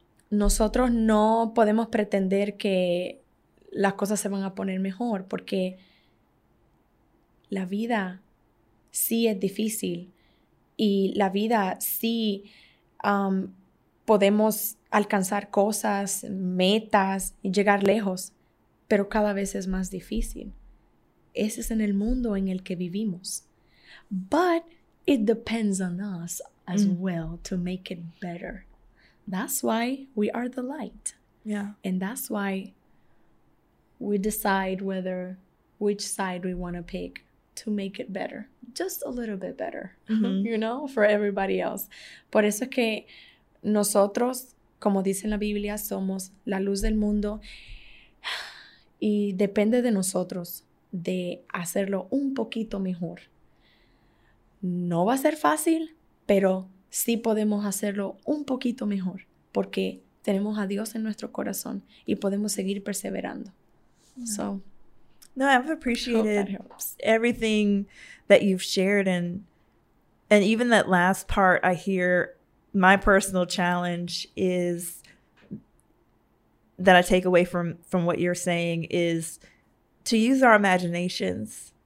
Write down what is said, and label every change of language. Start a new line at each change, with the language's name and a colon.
Spanish: Nosotros no podemos pretender que las cosas se van a poner mejor porque la vida sí es difícil y la vida sí podemos alcanzar cosas, metas, y llegar lejos, pero cada vez es más difícil. Ese es en el mundo en el que vivimos.
English: But it depends on us as well to make it better. That's why we are the light. Yeah. And that's why we decide whether which side we want to pick to make it better. Just a little bit better, you know, for everybody else.
Spanish: Por eso es que nosotros, como dice en la Biblia, somos la luz del mundo. Y depende de nosotros de hacerlo un poquito mejor. No va a ser fácil, pero sí podemos hacerlo un poquito mejor porque tenemos a Dios en nuestro corazón y podemos seguir perseverando.
English: Yeah. So, no, I've appreciated everything that you've shared, and even that last part. I hear my personal challenge is that I take away from what you're saying is to use our imaginations.